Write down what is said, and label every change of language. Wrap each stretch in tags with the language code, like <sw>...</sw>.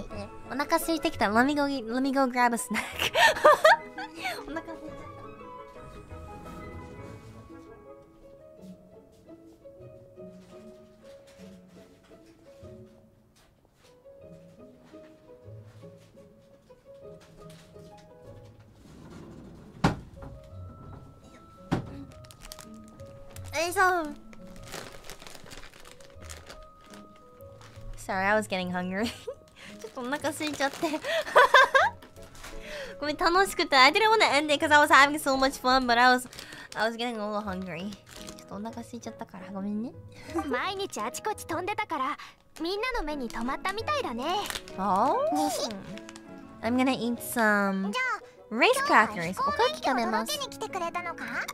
<ja>ちょっと待ってお腹空いてきた</ja> <en>Let me go grab a snack</en> <ja>お腹空いて</ja> <en>Sorry, I was getting hungry.</en> <ja>ちょっとお腹すいちゃって。ごめん、楽しくて。</ja> <en>I didn't want to end it because I was having so much fun, but I was getting a little hungry.</en> <ja>ちょっとお腹すいちゃったから、ごめんね。毎日あちこち飛んでたから、みんなの目に止まったみたいだね。</ja> <en>Oh? I'm gonna eat some race crackers.</en> <ja>おかき食べます。驚きに来てくれたのか</ja>